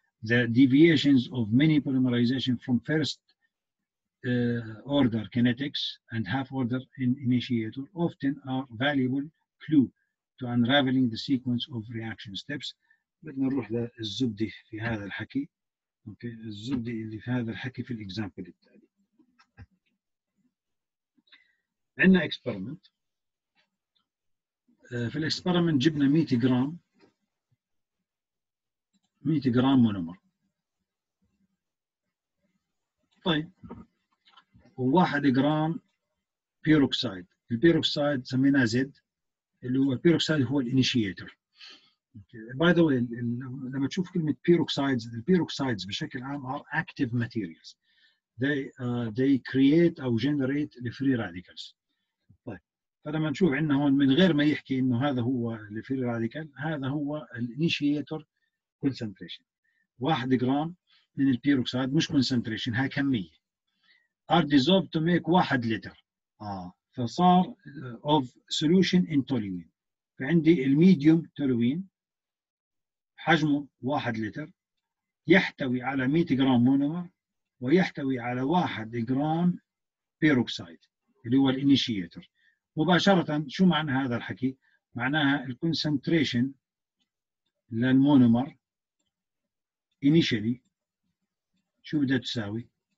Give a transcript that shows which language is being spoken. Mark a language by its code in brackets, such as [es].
[en] the deviations of many polymerization from first order kinetics and half order initiator often are valuable clue to unraveling the sequence of reaction steps. [ar] بدنا نروح للزبدة في هذا الحكي. اوكي الزبدة اللي في هذا الحكي في الاكزامبل التالي. عندنا اكسبيرمنت. في الاكسبيرمنت جبنا 100 جرام مونومر. طيب وواحد جرام بيروكسايد. البيروكسايد سميناه زد اللي هو البيروكسايد هو الانيشيتر. [en] By the way, [ar] لما تشوف كلمة [en] peroxides, the peroxides [ar] بشكل عام [en] are active materials. They create or generate the free radicals. [ar] طيب فلما نشوف عندنا هون من غير ما يحكي إنه هذا هو [en] the free radical, [ar] هذا هو initiator concentration. واحد جرام من peroxide مش concentration, هاي كمية. [en] Are dissolved to make 1 liter. [ar] فصار [en] of solution in toluene. [ar] فعندي medium toluene. حجمه 1 لتر يحتوي على 100 جرام مونومر ويحتوي على 1 جرام بيروكسايد اللي هو الانيشيتر. مباشرة شو معنى هذا الحكي؟ معناها الكونسنتريشن للمونومر انيشيلي شو بدها تساوي؟